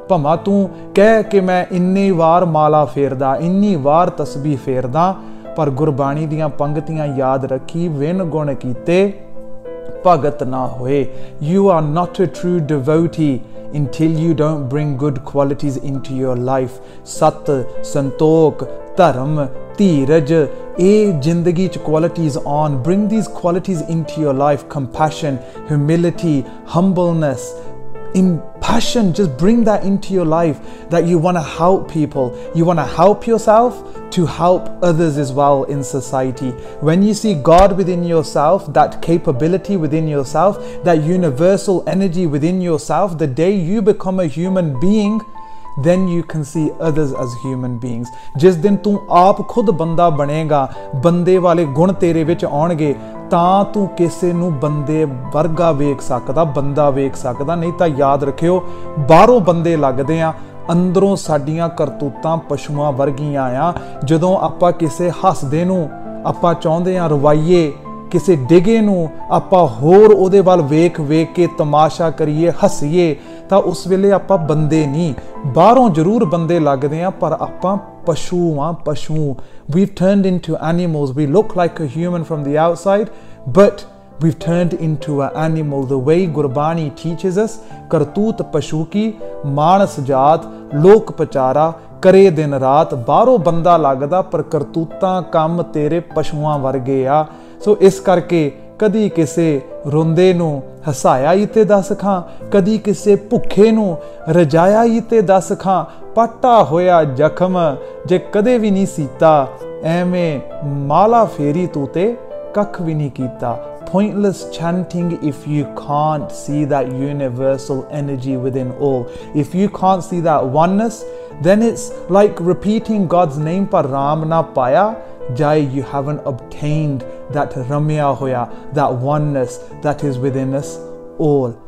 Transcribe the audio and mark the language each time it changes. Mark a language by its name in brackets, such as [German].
[Punjabi] ਭਾਵਾਂ ਤੂੰ ਕਹਿ ਕੇ ਮੈਂ ਇੰਨੀ ਵਾਰ ਮਾਲਾ ਫੇਰਦਾ, ਇੰਨੀ ਵਾਰ ਤਸਬੀਹ ਫੇਰਦਾ, ਪਰ ਗੁਰਬਾਣੀ ਦੀਆਂ ਪੰਗਤੀਆਂ ਯਾਦ ਰੱਖੀ, ਵਿਨ ਗੁਣ ਕੀਤੇ ਭਗਤ ਨਾ ਹੋਏ। [English] You are not a true devotee until you don't bring good qualities into your life. [Punjabi] ਸਤ, ਸੰਤੋਖ, ਧਰਮ, ਧੀਰਜ, ਇਹ ਜ਼ਿੰਦਗੀ 'ਚ qualities on, [English] Bring these qualities into your life. Compassion, humility, humbleness, impassion, just bring that into your life, that you want to help people, you want to help yourself to help others as well in society. When you see God within yourself, that capability within yourself, that universal energy within yourself, the day you become a human being, then you can see others as human beings. [Punjabi] Jis din tu aap khud banda banega, bande wale gun tere vich aunge, ਤਾਂ ਤੂੰ ਕਿਸੇ ਨੂੰ ਬੰਦੇ ਵਰਗਾ ਵੇਖ ਸਕਦਾ, ਬੰਦਾ ਵੇਖ ਸਕਦਾ। ਨਹੀਂ ਤਾਂ ਯਾਦ ਰੱਖਿਓ, ਬਾਹਰੋਂ ਬੰਦੇ ਲੱਗਦੇ ਆ, ਅੰਦਰੋਂ ਸਾਡੀਆਂ ਕਰਤੂਤਾਂ ਪਸ਼ੂਆਂ ਵਰਗੀਆਂ ਆ। ਜਦੋਂ ਆਪਾਂ ਕਿਸੇ ਹੱਸਦੇ ਨੂੰ ਆਪਾਂ ਚਾਹੁੰਦੇ ਹਾਂ ਰਵਾਈਏ, ਕਿਸੇ ਡਿਗੇ ਨੂੰ ਆਪਾਂ ਹੋਰ ਉਹਦੇ ਵੱਲ ਵੇਖ ਵੇਖ ਕੇ ਤਮਾਸ਼ਾ ਕਰੀਏ, ਹੱਸੀਏ, ਤਾਂ ਉਸ ਵੇਲੇ ਆਪਾਂ ਬੰਦੇ ਨਹੀਂ, ਬਾਹਰੋਂ ਜ਼ਰੂਰ ਬੰਦੇ ਲੱਗਦੇ ਹਾਂ, ਪਰ ਆਪਾਂ ਪਸ਼ੂ ਆ, ਪਸ਼ੂ। [English] We've turned into animals, we look like a human from the outside, but we've turned into a animal. The way Gurbani teaches us, [Punjabi] ਕਰਤੂਤ ਪਸ਼ੂ ਕੀ, ਮਾਨਸ ਜਾਤ, ਲੋਕ ਪਚਾਰਾ ਕਰੇ ਦਿਨ ਰਾਤ, ਬਾਹਰੋਂ ਬੰਦਾ ਲੱਗਦਾ ਪਰ ਕਰਤੂਤਾਂ ਕੰਮ ਤੇਰੇ ਪਸ਼ੂਆਂ ਵਰਗੇ ਆ। ਸੋ ਇਸ ਕਰਕੇ ਕਦੀ ਕਿਸੇ ਰੋਂਦੇ ਨੂੰ ਹਸਾਇਆ ਹੀ ਤੇ ਦੱਸ ਖਾਂ, ਕਦੀ ਕਿਸੇ ਭੁੱਖੇ ਨੂੰ ਰਜਾਇਆ ਹੀ ਤੇ ਦੱਸ ਖਾਂ, ਪਾਟਾ ਹੋਇਆ ਜ਼ਖਮ ਜੇ ਕਦੇ ਵੀ ਨਹੀਂ ਸੀਤਾ, ਐਵੇਂ ਮਾਲਾ ਫੇਰੀ ਤੂੰ ਤੇ ਕੱਖ ਵੀ ਨਹੀਂ ਕੀਤਾ। [English] pointless chanting if you can't see that universal energy within all. If you can't see that oneness, then it's like repeating God's name [Punjabi] par Ram na paya jai, [English] you haven't obtained that [Punjabi] ramya hoya, [English] that oneness that is within us all.